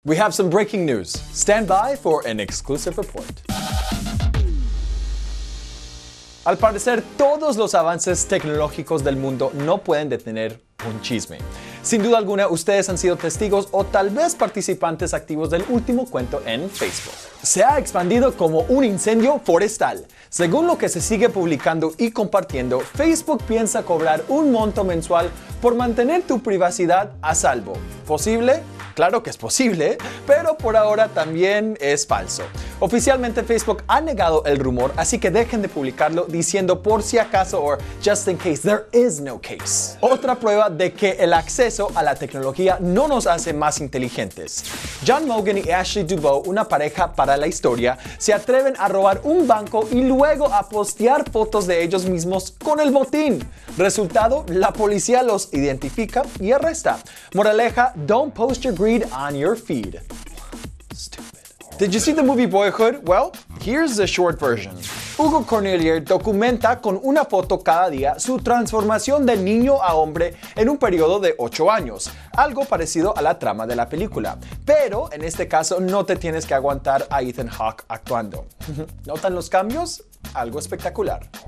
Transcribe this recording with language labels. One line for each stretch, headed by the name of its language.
English: We have some breaking news. Stand by for an exclusive report.
Spanish: Al parecer, todos los avances tecnológicos del mundo no pueden detener un chisme. Sin duda alguna, ustedes han sido testigos o tal vez participantes activos del último cuento en Facebook. Se ha expandido como un incendio forestal. Según lo que se sigue publicando y compartiendo, Facebook piensa cobrar un monto mensual por mantener tu privacidad a salvo. ¿Posible? Claro que es posible, pero por ahora también es falso. Oficialmente, Facebook ha negado el rumor, así que dejen de publicarlo diciendo por si acaso o just in case there is no case. Otra prueba de que el acceso a la tecnología no nos hace más inteligentes. John Mogan y Ashley Dubow, una pareja para la historia, se atreven a robar un banco y luego a postear fotos de ellos mismos con el botín. Resultado, la policía los identifica y arresta.
English: Moraleja, don't post your greed on your feed. Did you see the movie Boyhood? Well, here's the short version.
Spanish: Hugo Cornelier documenta con una foto cada día su transformación de niño a hombre en un periodo de 8 años, algo parecido a la trama de la película. Pero en este caso no te tienes que aguantar a Ethan Hawke actuando. ¿Notan los cambios? Algo espectacular.